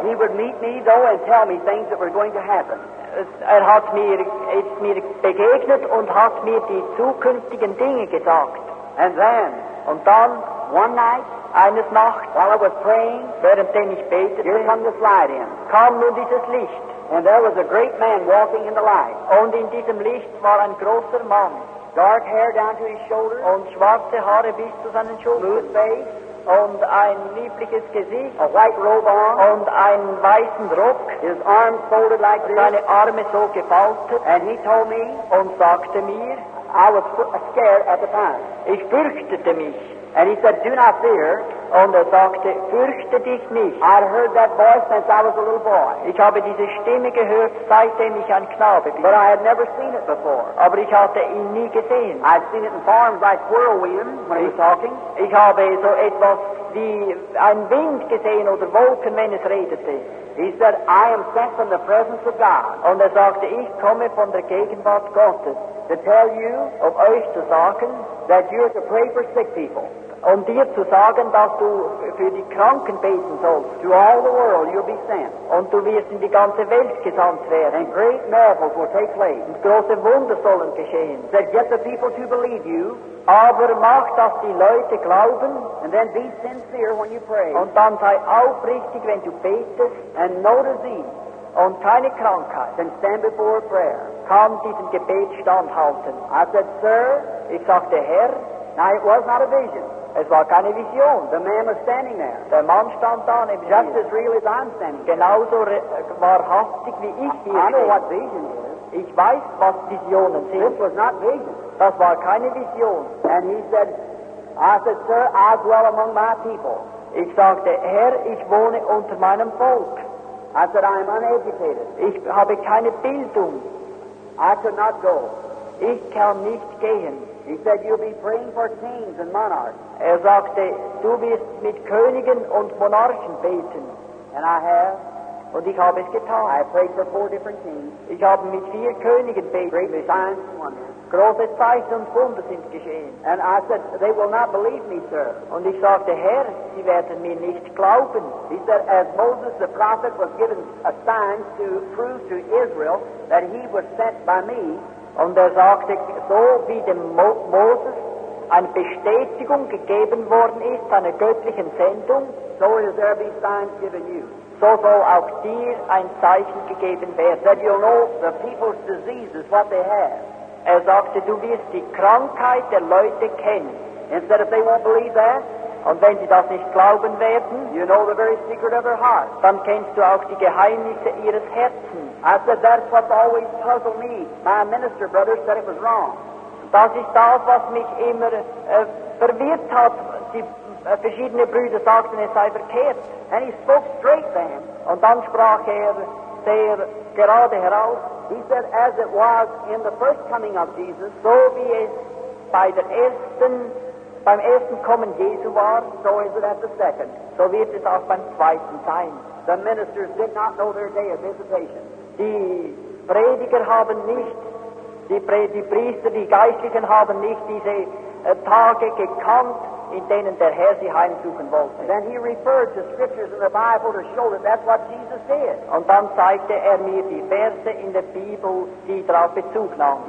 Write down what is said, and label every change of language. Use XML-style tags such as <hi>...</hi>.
<en>He would meet me though and tell me things that were going to happen.</en> <de>Er hat mir begegnet und hat mir die zukünftigen Dinge gesagt.</de> <en>And then,</en> <de>und dann,</de> <en>one night,</en> <de>eines Nachts,</de> <en>while I was praying,</en> <de>währenddem ich betete,</de> <en>here come this light in.</en> <de>Kam nun dieses Licht.</de> <en>And there was a great man walking in the light.</en> <de>Und in diesem Licht war ein großer Mann.</de> <en>Dark hair down to his shoulders.</en> <de>Und schwarze Haare bis zu seinen Schultern.</de> <en>Smooth face.</en> <de>Und ein liebliches Gesicht.</de> <en>A white robe on.</en> <de>Und einen weißen Rock.</de> <en>His arms folded like this.</en> <de>Seine Arme so gefaltet.</de> <en>And he told me.</en> <de>Und sagte mir.</de> <en>I was scared at the time.</en> <de>Ich fürchtete mich.</de> <en>And he said, do not fear.</en> <de>Und sagte, fürchte dich nicht.</de> <en>I heard that voice since I was a little boy.</en> <de>Ich habe diese Stimme gehört, seitdem ich ein Knabe bin.</de> <en>But I had never seen it before.</en> <de>Aber ich hatte ihn nie gesehen.</de> <en>I'd seen it in farms like whirlwind when he was talking.</en> <de>Ich habe so etwas wie ein Wind gesehen oder Wolken, wenn es redete.</de> <en>He said, I am sent from the presence of God.</en> <de>Und sagte, ich komme von der Gegenwart Gottes.</de> <en>To tell you,</en> <de>of euch zu sagen,</de> <en>that you are to pray for sick people.</en> <de>Um dir zu sagen, dass du für die Kranken beten sollst.</de> <en>To all the world you'll be sent.</en> <de>Und du wirst in die ganze Welt gesandt werden.</de> <en>And great miracles will take place.</en> <de>Und große Wunder sollen geschehen.</de> <en>That get the people to believe you.</en> <de>Aber mach, dass die Leute glauben.</de> <en>And then be sincere when you pray.</en> <de>Und dann sei aufrichtig, wenn du betest.</de> <en>And no disease.</en> <de>Und keine Krankheit.</de> <en>Then stand before prayer.</en> <de>Kann diesem Gebet standhalten.</de> <en>I said, sir.</en> <de>Ich sagte, Herr.</de> <en>Now it was not a vision.</en> <de>Es war keine Vision.</de> <en>The man was standing there.</en> <de>Der Mann stand da,</de> <en>just as real as I'm standing.</en> <de>Genauso wahrhaftig wie ich hier.</de> <en>I know what vision is.</en> <de>Ich weiß, was Visionen sind.</de> <en>This was not vision.</en> <de>Das war keine Vision.</de> <en>And he said, I said, sir, I dwell among my people.</en> <de>Ich sagte, Herr, ich wohne unter meinem Volk.</de> <en>I said, I am uneducated.</en> <de>Ich habe keine Bildung.</de> <en>I could not go.</en> <de>Ich kann nicht gehen.</de> <en>He said, you'll be praying for kings and monarchs.</en> <de>Sagte, du wirst mit Königen und Monarchen beten.</de> <en>And I have.</en> <de>Und ich habe es getan.</de> <en>I prayed for four different kings.</en> <de>Ich habe mit vier Königen beten.</de> <en>Great signs and wonders.</en> <de>Große Zeichen und Wunder sind geschehen.</de> <en>And I said, they will not believe me, sir.</en> <de>Und ich sagte, Herr, sie werden mir nicht glauben.</de> <en>He said, as Moses the prophet was given a sign to prove to Israel that he was sent by me.</en> <de>Und sagte, so wie dem Moses eine Bestätigung gegeben worden ist, einer göttlichen Sendung,</de> <en>so is there be signs given you.</en> <de>So soll auch dir ein Zeichen gegeben werden.</de> <en>That you'll know the people's diseases, what they have.</en> <de>Sagte, du wirst die Krankheit der Leute kennen.</de> <en>Instead of they won't believe that.</en> <de>Und wenn sie das nicht glauben werden,</de> <en>you know the very secret of their heart.</en> <de>Dann kennst du auch die Geheimnisse ihres Herzens.</de> <en>I said, that's what always puzzled me. My minister brother said it was wrong.</en> <de>Das ist das, was mich immer verwirrt hat. Die verschiedene Brüder sagten, es sei verkehrt.</de> <en>And he spoke straight then.</en> <de>Und dann sprach er sehr gerade heraus.</de> <en>He said, as it was in the first coming of Jesus,</en> <de>so wie es bei der ersten, beim ersten Kommen Jesu war,</de> <en>so is it at the second.</en> <de>So wird es auch beim zweiten sein.</de> <en>The ministers did not know their day of visitation.</en> <de>Die Prediger haben nicht, die Priester, die Geistlichen haben nicht diese Tage gekannt, in denen der Herr sie heimsuchen wollte.</de> <en>Then he referred to scriptures in the Bible to show that that's what Jesus did.</en> <de>Und dann zeigte er mir die Verse in der Bibel, die darauf Bezug nahm.</de>